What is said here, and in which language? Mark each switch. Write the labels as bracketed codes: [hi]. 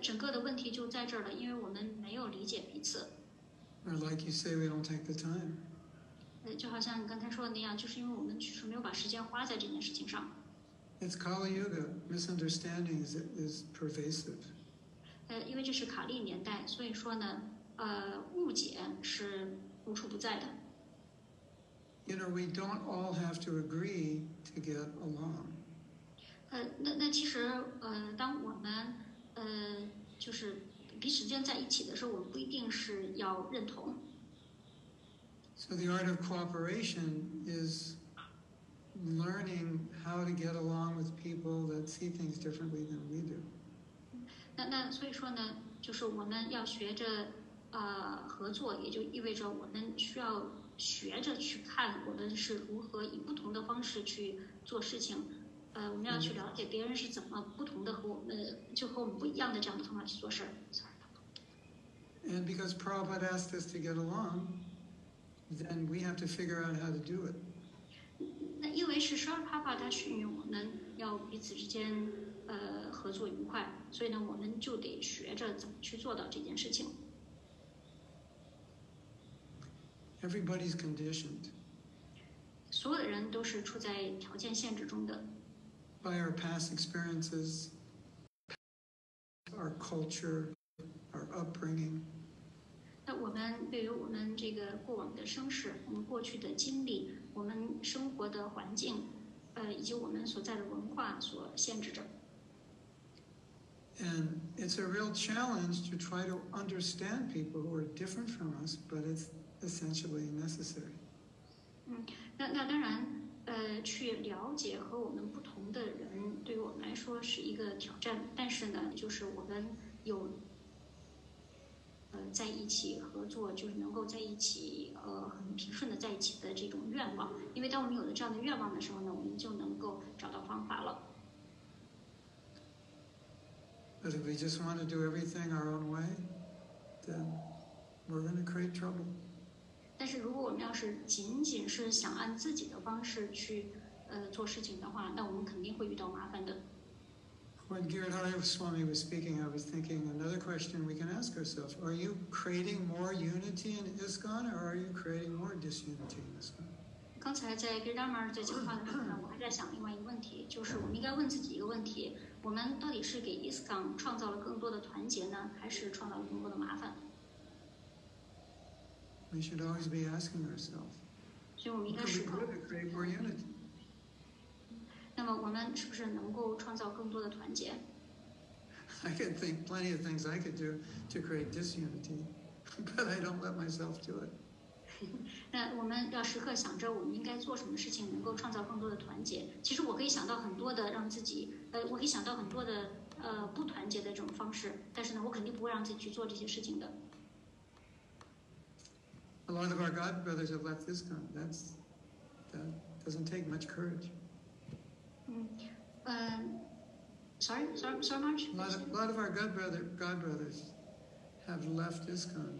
[zh] 整个的问题就在这儿了，因为我们没有理解彼此。 [en] Or like you say, we don't take the time. [zh] 就好像你刚才说的那样，就是因为我们其实没有把时间花在这件事情上。 [en] It's Kali Yuga. Misunderstanding is pervasive. [zh] 因为这是卡利年代，所以说呢，误解是无处不在的。 [en] You know, we don't all have to agree to get along. [zh] 那其实，当我们就是彼此间在一起的时候，我不一定是要认同。 [en] So the art of cooperation is learning how to get along with people that see things differently than we do. [zh] 那所以说呢，就是我们要学着合作，也就意味着我们需要学着去看我们是如何以不同的方式去做事情。我们要去了解别人是怎么不同的和我们就和我们不一样的这样的方法去做事。 [en] And because Prabhupada asked us to get along, then we have to figure out how to do it. [zh] 那因为是Srila Prabhupada训练我们要彼此之间合作愉快，所以呢我们就得学着怎么去做到这件事情。 [en] Everybody's conditioned. [zh] 所有的人都是处在条件限制中的。 [en] By our past experiences, our culture, our upbringing. [zh] 那我们对于我们这个过往的生世，我们过去的经历，我们生活的环境，以及我们所在的文化所限制着。 [en] And it's a real challenge to try to understand people who are different from us, but it's essentially necessary. [zh] 那当然。去了解和我们不同的人，对于我们来说是一个挑战。但是呢，就是我们有在一起合作，就是能够在一起很平顺的在一起的这种愿望。因为当我们有了这样的愿望的时候呢，我们就能够找到方法了。 [en] But if we just want to do everything our own way, then we're going to create trouble. [zh] 但是如果我们要是仅仅是想按自己的方式去做事情的话，那我们肯定会遇到麻烦的。 [en] When Giridhara Swami was speaking, I was thinking another question we can ask ourselves. Are you creating more unity in ISKCON or are you creating more disunity in ISKCON? [zh] 刚才在 Giridhara Maharaj 在讲话的时候呢，我还在想另外一个问题，就是我们应该问自己一个问题，我们到底是给 ISKCON 创造了更多的团结呢，还是创造了更多的麻烦？ [en] We should always be asking ourselves. [zh] 所以我们应该是 [en] 否 Are we trying to create more unity? [zh] 那么我们是不是能够创造更多的团结？ [en] I can think plenty of things I could do to create disunity, but I don't let myself do it. [zh] 那我们要时刻想着我们应该做什么事情能够创造更多的团结。其实我可以想到很多的让自己，我可以想到很多的不团结的这种方式，但是呢，我肯定不会让自己去做这些事情的。 [en] A lot of our God brothers have left this kind. That doesn't take much courage. Sorry, Marge. A lot of our God brothers have left ISKCON.